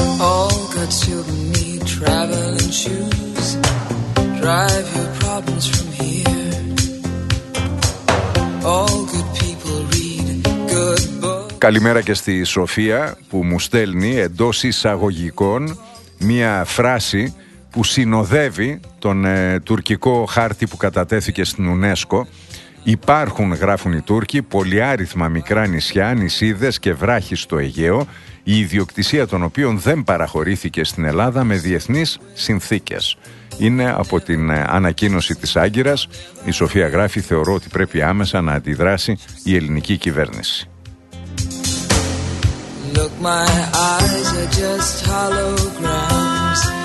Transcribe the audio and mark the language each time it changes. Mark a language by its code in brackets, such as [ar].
[en] All good children need traveling shoes. Drive your problems from here. All good people read good books. [el] Καλημέρα και στη Σοφία που μου στέλνει εντός εισαγωγικών μια φράση που συνοδεύει τον τουρκικό χάρτη που κατατέθηκε στην UNESCO. Υπάρχουν, γράφουν οι Τούρκοι, πολυάριθμα μικρά νησιά, νησίδες και βράχη στο Αιγαίο, η ιδιοκτησία των οποίων δεν παραχωρήθηκε στην Ελλάδα με διεθνείς συνθήκες. Είναι από την ανακοίνωση της Άγκυρας. Η Σοφία γράφει, θεωρώ ότι πρέπει άμεσα να αντιδράσει η ελληνική κυβέρνηση. [en] Look, my eyes are just holograms.